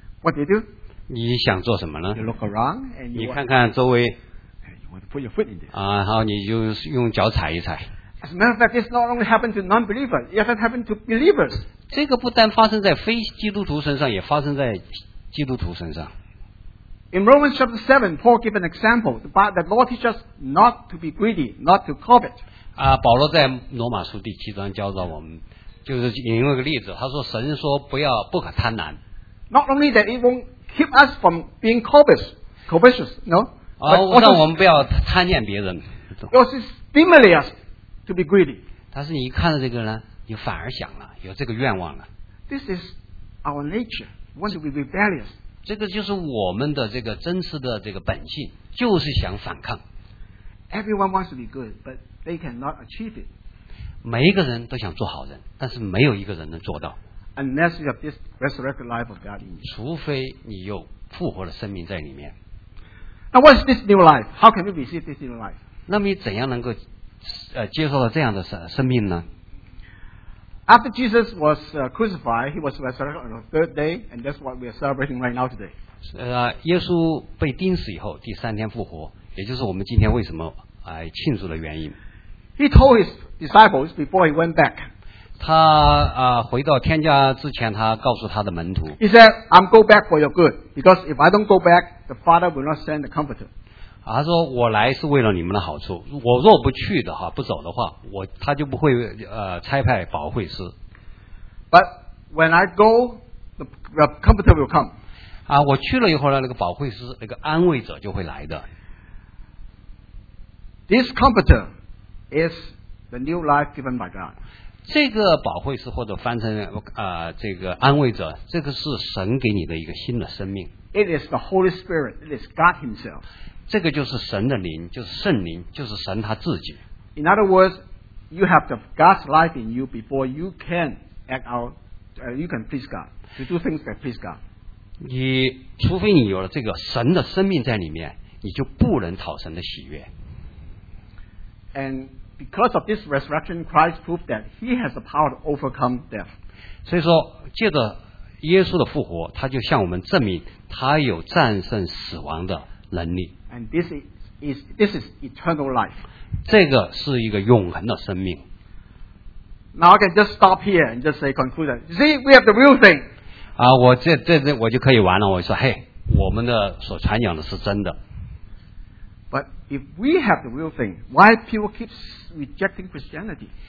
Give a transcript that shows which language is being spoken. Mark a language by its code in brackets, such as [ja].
[en] What do you do? [zh] 你想做什么呢？ [en] You look around and you [zh] 你看看周围。 [en] You want to put your foot in there. [zh] 然后你就用脚踩一踩。 [en] As a matter of fact, this not only happened to non-believers, it even happened to believers. [zh] 这个不但发生在非基督徒身上，也发生在基督徒身上。 [en] In Romans chapter 7, Paul gave an example that the Lord teaches us not to be greedy, not to covet. [zh] 保罗在罗马书第七章教导我们，就是引用一个例子，他说神说不可贪婪。 [en] Not only that it won't keep us from being covetous, no? [zh] 让我们不要贪念别人。 [en] Because it stimulates us to be greedy. [zh] 但是你一看到这个呢，你反而想了，有这个愿望了。 [en] This is our nature, once we rebellious. [zh] 这个就是我们的这个真实的这个本性，就是想反抗。 [en] Everyone wants to be good, but they cannot achieve it. [zh] 每一个人都想做好人，但是没有一个人能做到。 [en] Unless you have this resurrected life of God in you. [zh] 除非你有复活的生命在里面。 [en] Now what is this new life? How can we receive this new life? [zh] 那么你怎样能够接受到这样的生命呢？ [en] After Jesus was crucified, he was resurrected on the third day, and that's what we are celebrating right now today. [zh] 耶稣被钉死以后第三天复活，也就是我们今天为什么庆祝的原因。 [en] He told his disciples before he went back. [zh] 他回到天家之前，他告诉他的门徒。 [en] He said, "I'm go back for your good, because if I don't go back, the Father will not send the Comforter." [zh] 他说我来是为了你们的好处。我若不去的话，不走的话，他就不会差派保惠师。 [en] But when I go, the Comforter will come. [zh] 我去了以后呢，那个保惠师，那个安慰者就会来的。 [en] This Comforter. Is the new life given by God? [zh] 这个保惠师或者翻成这个安慰者，这个是神给你的一个新的生命。 [en] It is the Holy Spirit. It is God Himself. [zh] 这个就是神的灵，就是圣灵，就是神他自己。 [en] In other words, you have the God's life in you before you can act out. You can please God. You do things that please God. [zh] 你除非你有了这个神的生命在里面，你就不能讨神的喜悦。 [en] And because of this resurrection, Christ proved that He has the power to overcome death. [zh] 所以说，借着耶稣的复活，他就向我们证明他有战胜死亡的能力。 [en] And this is eternal life. [zh] 这个是一个永恒的生命。 [en] Now I can just stop here and just say conclusion. See, we have the real thing. [zh] 我这我就可以完了。我说，嘿，我们的所传讲的是真的。 [en] But if we have the real thing, why people keep rejecting Christianity?